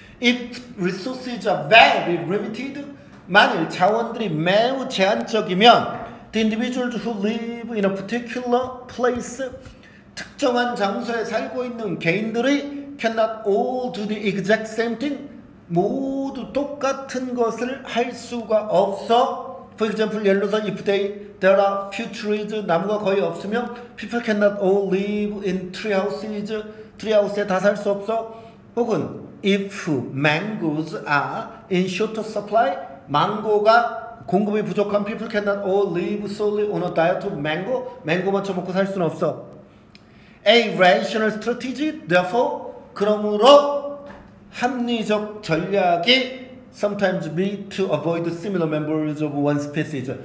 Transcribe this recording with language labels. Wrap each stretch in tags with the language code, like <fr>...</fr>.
<en>If resources are very limited,</en> <ko>만일 자원들이 매우 제한적이면</ko> <en>the individuals who live in a particular place,</en> <ko>특정한 장소에 살고 있는 개인들의</ko> <en>cannot all do the exact same thing.</en> <ko>모두 똑같은 것을 할 수가 없어.</ko> <en>For example,</en> <ko>예를 들어서</ko> <en>if there are few trees,</en> <ko>나무가 거의 없으면</ko> <en>people cannot all live in tree houses.</en> <ko>트리하우스에 다 살 수 없어.</ko> <en>혹은 if mangoes are in short supply,</en> <ko>망고가 공급이 부족한</ko> <en>people cannot all live solely on a diet of mango.</en> <ko>망고만 처먹고 살 수는 없어.</ko> <en>A rational strategy, therefore,</en> <ko>그러므로 합리적 전략이</ko> <en>sometimes be to avoid similar members of one species.</en>